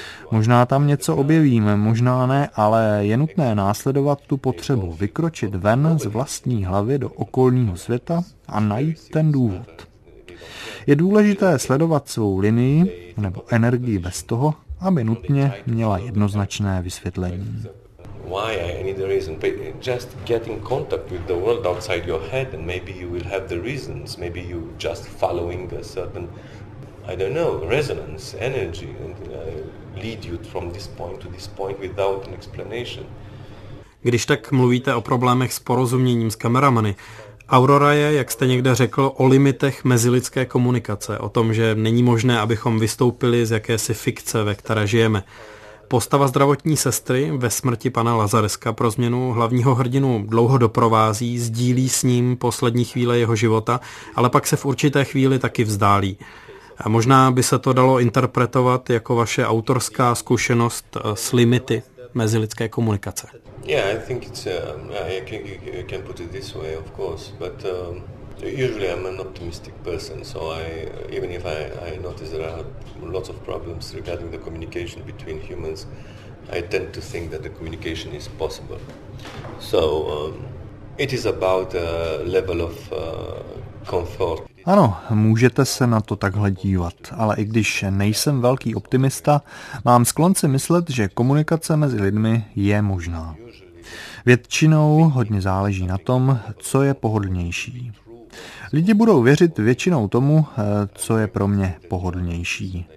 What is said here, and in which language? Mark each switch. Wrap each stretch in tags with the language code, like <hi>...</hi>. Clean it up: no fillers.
<cs>Možná tam něco objevíme, možná ne, ale je nutné následovat tu potřebu, vykročit ven z vlastní hlavy do okolního světa a najít ten důvod. Je důležité sledovat svou linii nebo energii bez toho, aby nutně měla jednoznačné vysvětlení.</cs> <en>Why I need a reason, but just get in contact with the world outside your head and maybe you will have the reasons, maybe you just following a certain, I don't know, resonance, energy, and lead you from this point without an explanation.</en> <cs>Když tak mluvíte o problémech s porozuměním s kameramany, Aurora je, jak jste někde řekl, o limitech mezilidské komunikace, o tom, že není možné, abychom vystoupili z jakési fikce, ve které žijeme. Postava zdravotní sestry ve smrti pana Lazareska pro změnu hlavního hrdinu dlouho doprovází, sdílí s ním poslední chvíle jeho života, ale pak se v určité chvíli taky vzdálí. A možná by se to dalo interpretovat jako vaše autorská zkušenost s limity mezilidské komunikace.</cs> <en>Yeah, I think it's you can put it this way, of course, but usually I'm an optimistic person, so I notice there are lots of problems regarding the communication between humans, I tend to think that the communication is possible. So it is about a level of comfort.</en> <cs>Ano, můžete se na to takhle dívat, ale i když nejsem velký optimista, mám sklon si myslet, že komunikace mezi lidmi je možná. Většinou hodně záleží na tom, co je pohodlnější. Lidi budou věřit většinou tomu, co je pro mě pohodlnější.</cs>